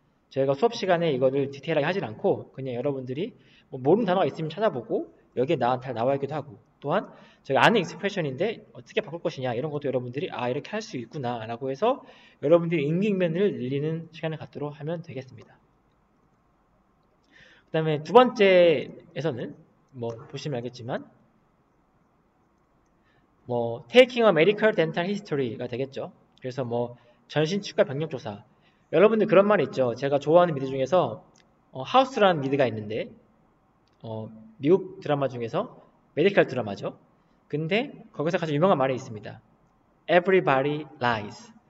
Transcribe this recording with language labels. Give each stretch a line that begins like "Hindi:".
Korean: 저희가 수업 시간에 이거를 디테일하게 하진 않고 그냥 여러분들이 뭐 모르는 단어가 있으면 찾아보고 여기에 나한테 나와 있기도 하고 또한 저희 아는 익스프레션인데 어떻게 바꿀 것이냐 이런 것도 여러분들이 아 이렇게 할수 있구나라고 해서 여러분들이 응기면을 늘리는 시간을 갖도록 하면 되겠습니다. 그다음에 두 번째에서는 뭐 보시면 알겠지만. 뭐,
English: taking a medical dental history
Korean: 가 되겠죠. 그래서 뭐, 전신 치과 병력 조사. 여러분들 그런 말 있죠. 제가 좋아하는 미드 중에서, 하우스라는 미드가 있는데, 미국 드라마 중에서, 메디컬 드라마죠. 근데, 거기서 가장 유명한 말이 있습니다.
English: Everybody lies.